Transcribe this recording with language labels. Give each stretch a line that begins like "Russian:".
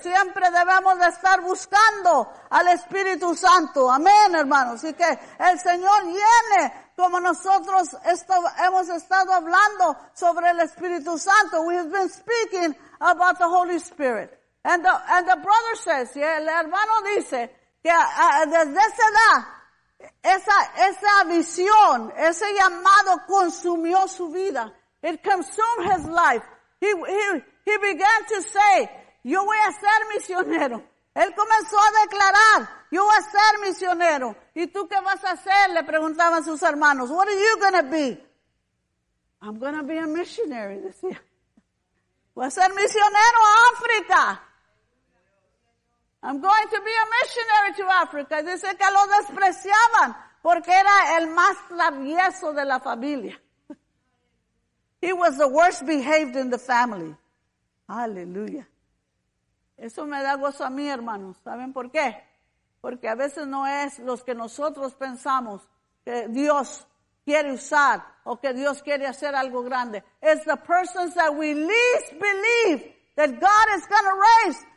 Spanish: Siempre debemos de estar buscando al Espíritu Santo. Amén, hermanos. Y que el Señor llene, como nosotros hemos estado hablando sobre el Espíritu Santo.
English: We have been speaking about the Holy Spirit. And the brother says,
Spanish: el hermano dice, que desde esa edad, esa visión, ese llamado consumió su vida.
English: It consumed his life. He began to say,
Spanish: yo voy a ser misionero. Él comenzó a declarar, yo voy a ser misionero. ¿Y tú qué vas a hacer? Le preguntaban sus hermanos.
English: What are you going to be? I'm going to be a missionary,
Spanish: decía. Voy a ser misionero a África.
English: I'm going to be a missionary to Africa.
Spanish: Dice que lo despreciaban porque era el más travieso de la familia.
English: He was the worst behaved in the family.
Spanish: Aleluya. Eso me da gozo a mí, hermanos. ¿Saben por qué? Porque a veces no es los que nosotros pensamos que Dios quiere usar o que Dios quiere hacer algo grande.
English: It's the persons that we least believe that God is going to raise.